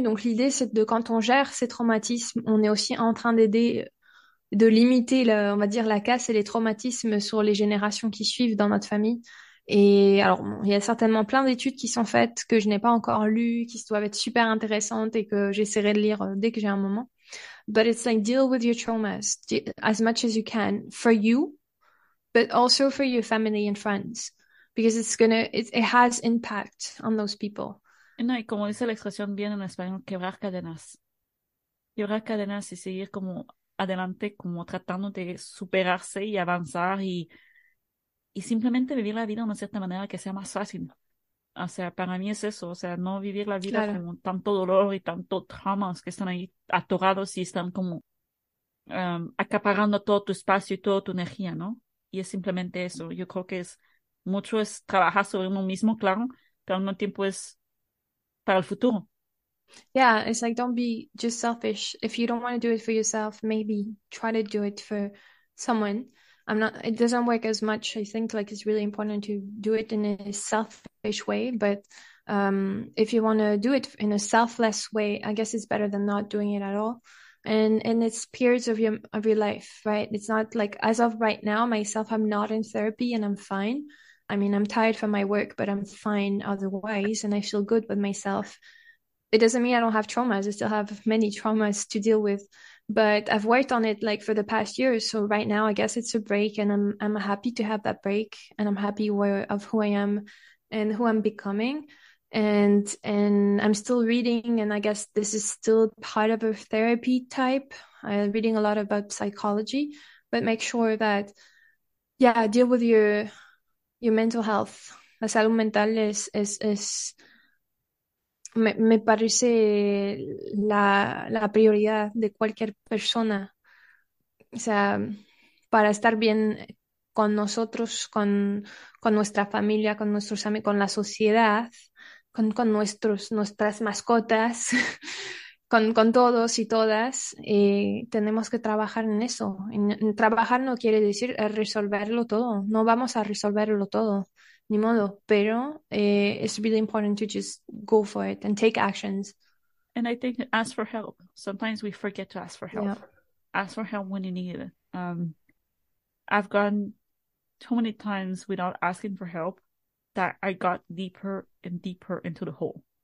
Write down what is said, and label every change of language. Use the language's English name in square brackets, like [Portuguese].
[French] Donc l'idée, c'est de quand on gère ces traumatismes, on est aussi en train d'aider, de limiter, on va dire, la casse et les traumatismes sur les générations qui suivent dans notre famille. Et alors, bon, il y a certainement plein d'études qui sont faites que je n'ai pas encore lues, qui doivent être super intéressantes et que j'essaierai de lire dès que j'ai un moment. [English] But it's like, deal with your traumas as much as you can for you. But also for your family and friends, because it has impact on those people. [Spanish] No, y como dice la expresión bien en español, quebrar cadenas. Quebrar cadenas y seguir como adelante, como tratando de superarse y avanzar y simplemente vivir la vida de una cierta manera que sea más fácil. O sea, para mí es eso. O sea, no vivir la vida Claro. con tanto dolor y tanto traumas que están ahí atorados y están como acaparando todo tu espacio y toda tu energía, ¿no? Y es simplemente eso. Yo creo que es mucho es trabajar sobre uno mismo, claro, pero al mismo tiempo es para el futuro. [English] Yeah, it's like don't be just selfish. If you don't want to do it for yourself, maybe try to do it for someone. I'm not, it doesn't work as much. I think like it's really important to do it in a selfish way, but if you want to do it in a selfless way, I guess it's better than not doing it at all. And it's periods of your life, right? It's not like as of right now, myself, I'm not in therapy and I'm fine. I mean, I'm tired from my work, but I'm fine otherwise, and I feel good with myself. It doesn't mean I don't have traumas. I still have many traumas to deal with, but I've worked on it like for the past year. So right now, I guess it's a break, and I'm happy to have that break, and I'm happy where of who I am and who I'm becoming. And I'm still reading, and I guess this is still part of a therapy type. I'm reading a lot about psychology, but make sure that, yeah, deal with your mental health. [Spanish] La salud mental es me parece la prioridad de cualquier persona. O sea, para estar bien con nosotros, con nuestra familia, con nuestros amigos, con la sociedad, con nuestras mascotas, con todos y todas, tenemos que trabajar en eso. En trabajar no quiere decir resolverlo todo. No vamos a resolverlo todo, ni modo, pero [English] it's really important to just go for it and take actions. And I think ask for help. Sometimes we forget to ask for help. Yeah. Ask for help when you need it. I've gone too many times without asking for help that I got deeper and deeper into the hole.